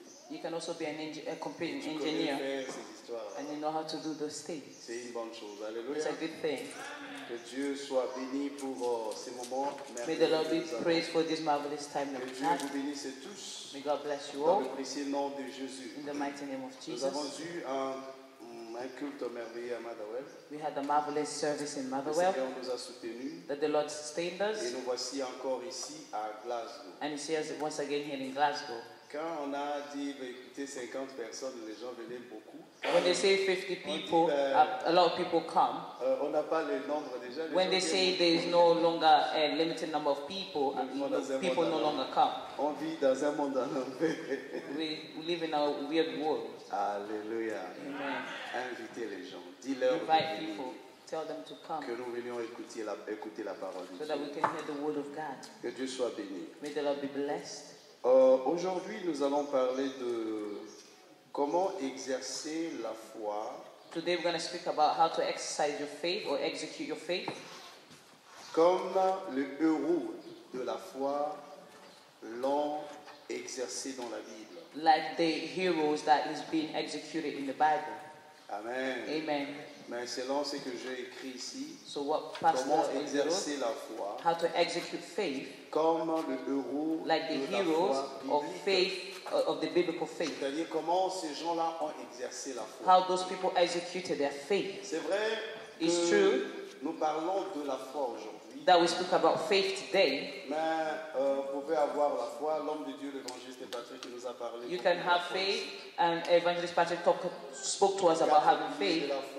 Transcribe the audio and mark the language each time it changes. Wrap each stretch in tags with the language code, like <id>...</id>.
<en>You can also be a computer engineer. And you know how to do those things. It's a good thing.</en> <fr>Que Dieu soit béni pour ces moments.</fr> <en>May the Lord be praised for this marvelous time.</en> <fr>Que Dieu vous bénisse tous.</fr> <en>May God bless you</en> <fr>dans</fr> <en>all.</en> <fr>Le précieux nom de Jésus.</fr> <en>In the mighty name of Jesus.</en> <fr>Nous avons eu un culte merveilleux à Motherwell.</fr> <en>We had a marvelous service in Motherwell.</en> <fr>Le Seigneur nous a soutenu.</fr> <en>That the Lord sustained us.</en> <fr>Et nous voici encore ici à Glasgow.</fr> <en>And you see us once again here in Glasgow.</en> <fr>Quand on a dit écouter 50 personnes, les gens venaient beaucoup.</fr> <en>When they say 50 people, a lot of people come.</en> <fr>On n'a pas le nombre déjà.</fr> <en>When they say there is no longer a limited number of people, people no longer come.</en> <fr>On vit dans un monde en ombre.</fr> <en>We live in a weird world.</en> <fr>Alléluia.</fr> <en>Amen.</en> <fr>Invitez les gens. Dis-leur.</fr> <en>Invite people. Tell them to come.</en> <fr>Que nous venions écouter la parole de Dieu.</fr> <en>So that we can hear the word of God.</en> <fr>Que Dieu soit béni.</fr> <en>May the Lord be blessed.</en> <fr>Aujourd'hui, nous allons parler de comment exercer la foi.</fr> <en>Today we're going to speak about how to exercise your faith or execute your faith.</en> <fr>Comme le héros de la foi l'ont exercé dans la Bible.</fr> <en>Like the heroes that is being executed in the Bible.</en> <fr>Amen.</fr> <en>Amen.</en> <fr>Mais selon ce que j'ai écrit ici,</fr> <en>so what pastor</en> <fr>comment exercer la foi,</fr> <en>how to execute faith,</en> <fr>comme le héros</fr> <en>like the</en> <fr>de</fr> <en>heroes</en> <fr>la foi</fr> <en>of faith of the biblical faith.</en> <fr>C'est-à-dire comment ces gens-là ont exercé la foi.</fr> <en>How those people executed their faith.</en> <fr>C'est vrai.</fr> <en>It's true.</en> <fr>Nous parlons de la foi aujourd'hui.</fr> <en>That we speak about faith today.</en> <fr>Mais vous pouvez avoir la foi. L'homme de Dieu, l'évangéliste Patrick, nous a parlé.</fr> <en>You can have faith. And Evangelist Patrick spoke to us about having faith.</en>